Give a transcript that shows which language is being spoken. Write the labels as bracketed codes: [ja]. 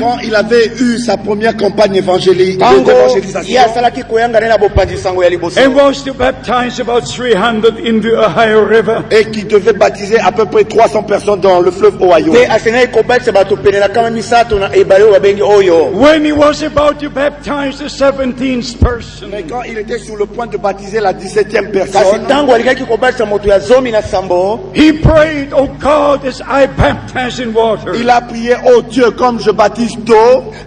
[fr] Quand il avait eu sa première campagne évangélique. [en] And was to baptize about 300 in the Ohio River. [fr] Et qui devait baptiser à peu près 300 personnes dans le fleuve Ohio. [en] When he was about to baptize the 17th person, [fr] mais quand il était sur le point de baptiser la 17e personne, [en] he prayed, "Oh God, as I baptize in water." [fr] Il a prié, "Oh Dieu, comme je baptise d'eau."